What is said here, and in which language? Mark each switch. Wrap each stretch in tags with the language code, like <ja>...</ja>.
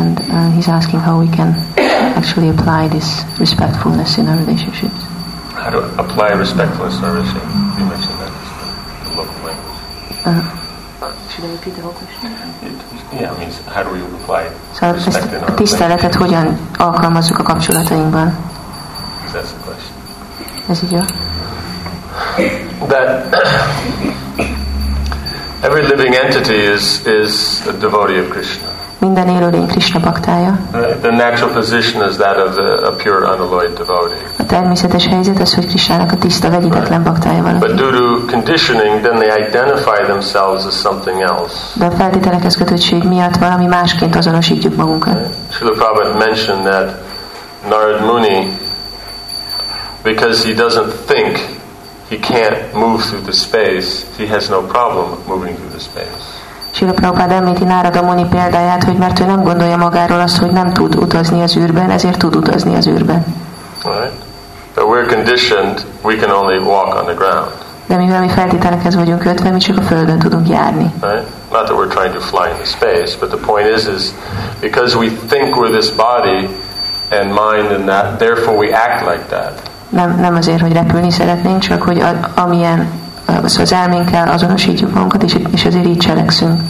<en>And he's asking how we can actually apply this respectfulness in our relationships. How to apply respectfulness in our relationship? You mentioned that in the local language. Should I repeat the whole question? Yeah, it means how do we apply respect in our relationship?</en> <hu>Tiszteletet hogyan alkalmazzuk a kapcsolatainkban?</hu> <en>That's the question.</en> <hu>Ez így jó.</hu> <en>That every living entity is a devotee of Krishna.</en> <hu>Minden élőlény Krishna baktája.</hu> <en>The natural position is that of a pure unalloyed devotee.</en> <hu>A természetes helyzet az, hogy Krishnának a tiszta vegyítetlen baktája valaki.</hu> <en>But due to conditioning, then they identify themselves as something else.</en> <hu>De a feltételekhez kötöttség miatt valami másként azonosítjuk magunkat.</hu> <en>Srila Prabhupada mentioned that Narad Muni, because he doesn't think he can't move through the space, he has no problem moving through the space.</en> <hu>Srila Prabhupada említi Narada Muni példáját, hogy mert ő nem gondolja magáról azt, hogy nem tud utazni az űrben, ezért tud utazni az űrben.</hu> <en>Right. But we're conditioned, we can only walk on the ground.</en> <hu>De mivel mi feltételekhez vagyunk kötve, mi csak a földön tudunk járni.</hu> <en>Right. Not that we're trying to fly in the space, but the point is because we think we're this body and mind and that, therefore we act like that.</en> <hu>Nem azért, hogy repülni szeretnénk, csak hogy amilyen az elménkkel azonosítjuk magunkat, és azért így cselekszünk.</hu>